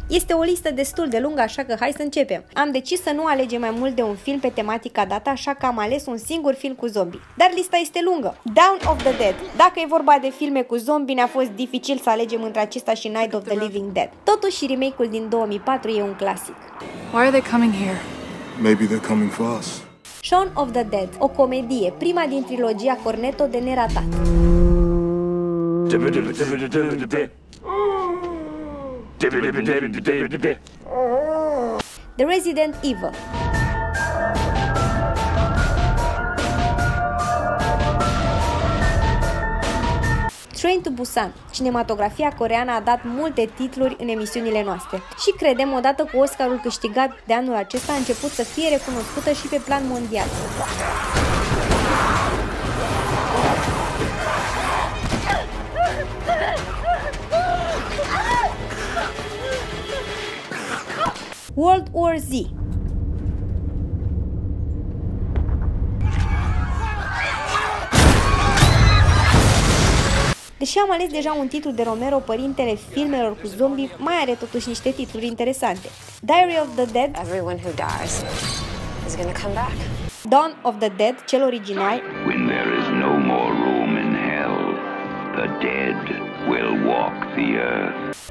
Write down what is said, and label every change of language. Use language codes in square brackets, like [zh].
[ro] Este o listă destul de lungă, așa că hai să începem. Am decis să nu alegem mai mult de un film pe tematica dată, așa că am ales un singur film cu zombie. Dar lista este lungă. Dawn of the Dead. Dacă e vorba de filme cu zombie, ne-a fost dificil să alegem între acesta și Night of the Living Dead. Totuși, remake-ul din 2004 e un clasic. [en] Why are they coming here? Maybe they're coming for us. [ro] Shaun of the Dead, o comedie, prima din trilogia Cornetto de neratat. [en] The Resident Evil. Train to Busan. [ro] Cinematografia coreeană a dat multe titluri în emisiunile noastre. Și credem, odată cu Oscarul câștigat de anul acesta, a început să fie recunoscută și pe plan mondial. [en] World War Z. [ro] Deși am ales deja un titlu de Romero, părintele filmelor cu zombie, mai are totuși niște titluri interesante. [en] Diary of the Dead. Everyone who dies is gonna come back. [ro] Dawn of the Dead, cel original. [en] When there is no more room in hell, the dead will walk the earth.